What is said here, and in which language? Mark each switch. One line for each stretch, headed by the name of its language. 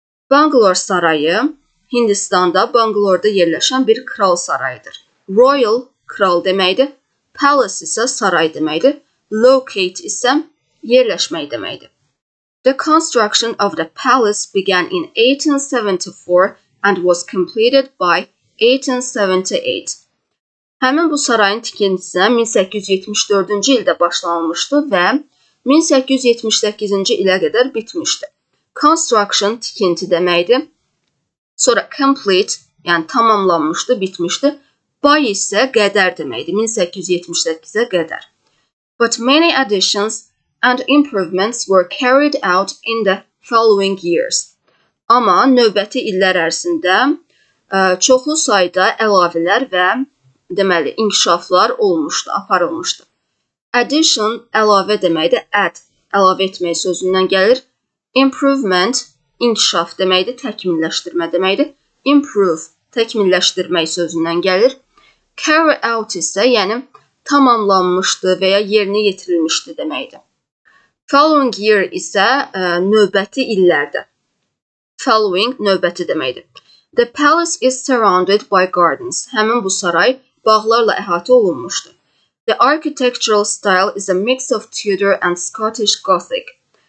Azerbaijani: Bangalore sarayı Hindistanda Bangalore'da yerləşən bir kral sarayıdır. Royal kral deməkdir, palace isə saray deməkdir, locate isə yerləşmək deməkdir.
English: The construction of the palace began in 1874 and was completed by 1878.
Azerbaijani: Həmin bu sarayın tikintisinə 1874-cü ildə başlanılmışdı və 1878-ci ilə qədər bitmişdi. Construction tikinti deməkdir. Sonra complete, yəni tamamlanmışdı, bitmişdi. By isə qədər deməkdir, 1878-ə qədər.
English: But many additions and improvements were carried out in the following years.
Azerbaijani: Amma növbəti illər ərzində çoxlu sayda əlavələr və deməli inkişaflar olmuşdu, aparılmışdı. Addition əlavə deməkdir, add əlavə etmək sözündən gəlir. Improvement inkişaf deməkdir, təkmilləşdirmə deməkdir. Improve təkmilləşdirmək sözündən gəlir. Carry out isə yəni tamamlanmışdı və ya yerinə yetirilmişdi deməkdir. Following year isə növbəti illərdə. Following növbəti deməkdir. The palace is surrounded by gardens. Həmin bu saray bağlarla əhatə olunmuşdu.
English: The architectural style is a mix of Tudor and Scottish Gothic.